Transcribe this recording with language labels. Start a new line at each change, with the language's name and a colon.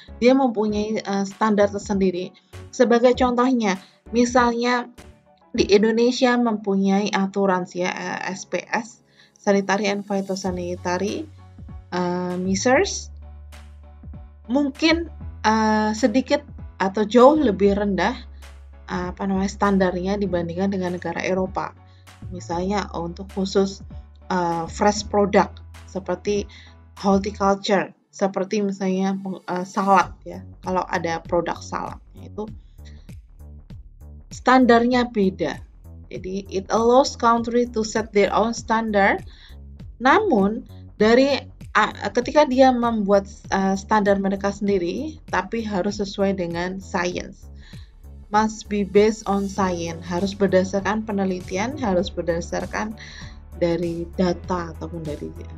Indonesian: Dia mempunyai standar tersendiri. Sebagai contohnya, misalnya di Indonesia mempunyai aturan ya SPS, Sanitary and Phytosanitary measures, mungkin sedikit atau jauh lebih rendah apa namanya standarnya dibandingkan dengan negara Eropa. Misalnya untuk khusus fresh product seperti horticulture, seperti misalnya salad ya. Kalau ada produk salad itu standarnya beda. Jadi
English: it allows country to set their own standard.
Indonesian: Namun dari ketika dia membuat standar mereka sendiri, tapi harus sesuai dengan science.
English: Must be based on science.
Indonesian: Harus berdasarkan penelitian, harus berdasarkan dari data ataupun dari